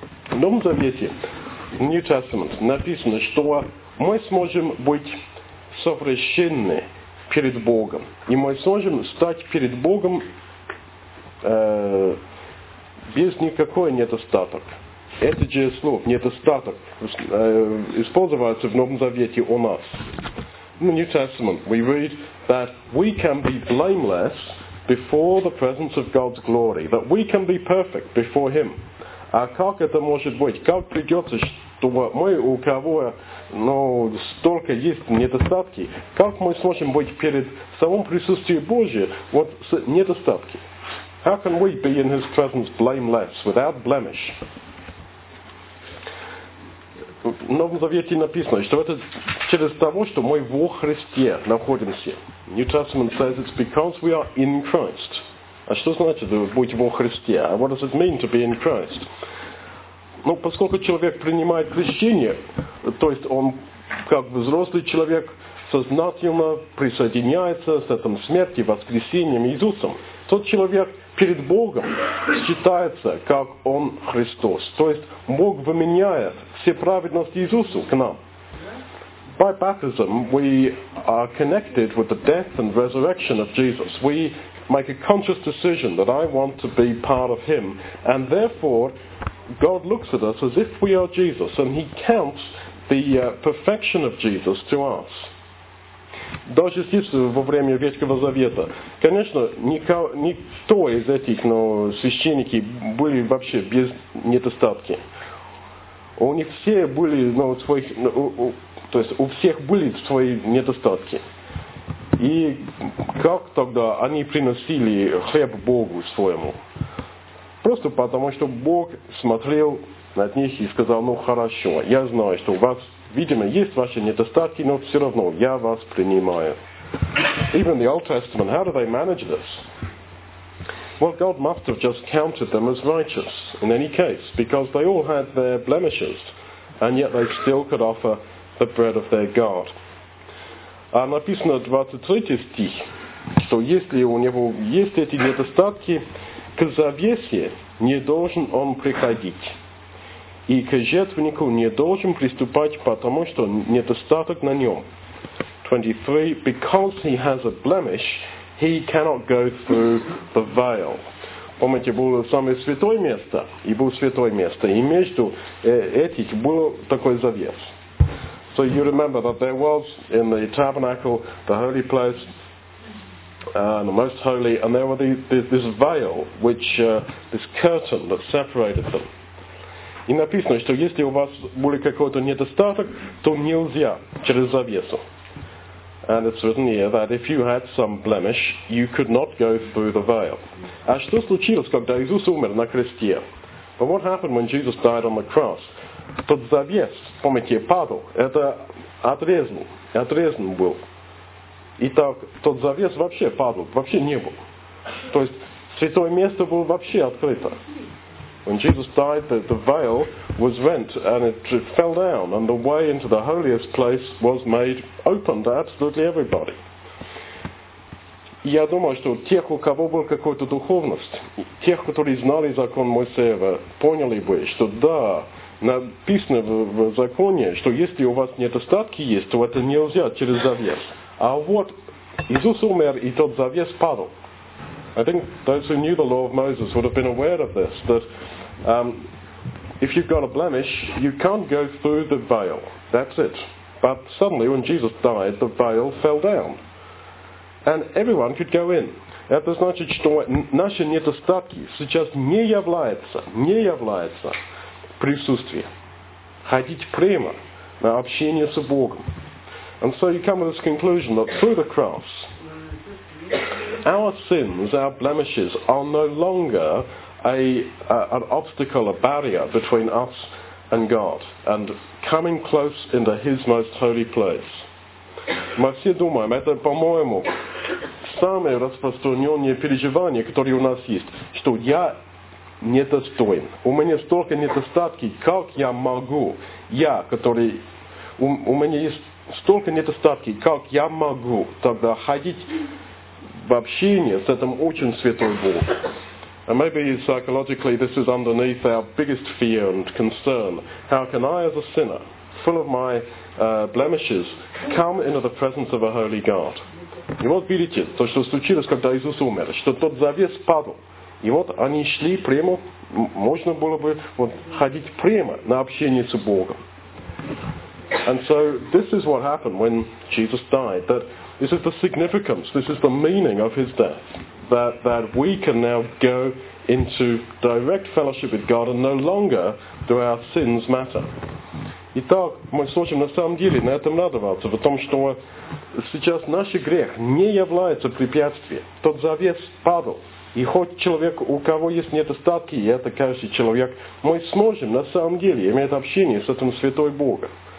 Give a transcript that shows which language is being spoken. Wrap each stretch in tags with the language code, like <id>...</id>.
<ru>В Новом Завете, в</ru> <en>New Testament,</en> <ru>написано, что мы сможем быть совращены перед Богом. И мы сможем стать перед Богом без никакого недостатка. Это же слово «недостаток» используется в Новом Завете у нас.</ru> <en>In the New Testament we read that we can be blameless before the presence of God's glory, that we can be perfect before Him.</en> <ru>А как это может быть? Как придется, что мы, у кого столько есть недостатки, как мы сможем быть перед самым присутствием Божьим вот с недостатки?</ru> <en>How can we be in His presence blameless, without blemish?</en> <ru>В Новом Завете написано, что это через того, что мы во Христе находимся.</ru> <en>New Testament says it's because we are in Christ.</en> <ru>А что значит быть во Христе?</ru> <en>What does it mean to be in Christ?</en> <ru>Ну, поскольку человек принимает крещение, то есть он как взрослый человек сознательно присоединяется с этим смертью, воскресением Иисусом, тот человек перед Богом считается, как Он Христос. То есть Бог выменяет все праведности Иисуса к нам.</ru> <en>By baptism we are connected with the death and resurrection of Jesus. We make a conscious decision that I want to be part of Him. And therefore God looks at us as if we are Jesus and He counts the perfection of Jesus to us.</en> <ru>Даже здесь, во время Ветхого Завета, конечно, никто из этих священники были вообще без недостатки. У них все были, у всех были свои недостатки. И как тогда они приносили хлеб Богу своему? Просто потому, что Бог смотрел на них и сказал, хорошо, я знаю, что у вас... Видимо, есть ваши недостатки, но все равно я вас принимаю.</ru> <en>Even the Old Testament, how do they manage this? Well, God must have just counted them as righteous in any case, because they all had their blemishes, and yet they still could offer the bread of their God.</en> <ru>А написано 23 стих, что если у него есть эти недостатки, к завесе не должен он приходить. И к жертвеннику не должен приступать, потому что недостаток на нем. 23.</ru> <en>Because he has a blemish, he cannot go through the veil.</en> <ru>Помните, было самое святое место, и было святое место, и между этих был такой завес.</ru> <en>So you remember that there was in the tabernacle, the holy place, the most holy, and there was this veil, which this curtain that separated them.</en> <ru>И написано, что если у вас будет какой-то недостаток, то нельзя через завесу.</ru> <en>And it's written here that if you had some blemish, you could not go through the veil.</en> <ru>А что случилось, когда Иисус умер на кресте?</ru> <en>But what happened when Jesus died on the cross?</en> <ru>Тот завес, помните, падал, это отрезан был. И так, тот завес вообще падал, вообще не был. То есть, святое место было вообще открыто.</ru> <en>When Jesus died, the veil was rent, and it fell down, and the way into the holiest place was made open to absolutely everybody.</en> <ru>Я думаю, что тех, у кого была какая-то духовность, тех, которые знали закон Моисеева, поняли бы, что да, написано в законе, что если у вас недостатки есть, то это нельзя через завес. А вот Иисус умер, и тот завес падал.</ru> <en>I think those who knew the law of Moses would have been aware of this, that if you've got a blemish, you can't go through the veil. That's it. But suddenly, when Jesus died, the veil fell down. And everyone could go in.</en> <ru>Это значит, что наши недостатки сейчас не являются присутствие. Ходить прямо на общение с Богом.</ru> <en>And so you come to this conclusion that through the cross, our sins, our blemishes, are no longer an obstacle, a barrier between us and God, and coming close into His most holy place.</en> <ru>Мы все думаем, это, по-моему, самое распространенное переживание, которое у нас есть, что я недостоин. У меня столько недостатки, как я могу? Я, который... У меня есть столько недостатки, как я могу тогда ходить в общении с этим очень святой Богом?</ru> <en>And maybe psychologically this is underneath our biggest fear and concern. How can I, as a sinner, full of my blemishes, come into the presence of a holy God?</en> <ru>И вот видите, то, что случилось, когда Иисус умер, что тот завес падал. И вот они шли прямо, можно было бы вот ходить прямо на общение с Богом.</ru> <en>And so this is what happened when Jesus died. That this is the significance, this is the meaning of his death. That we can now go into direct fellowship with God, and no longer do our sins matter.</en> <ru>Итак, мы сможем на самом деле на этом радоваться, потому что сейчас наш грех не является препятствием. Тот завес падал. И хоть человек, у кого есть недостатки, и это каждый человек, мы сможем на самом деле иметь общение с этим святой Богом.</ru>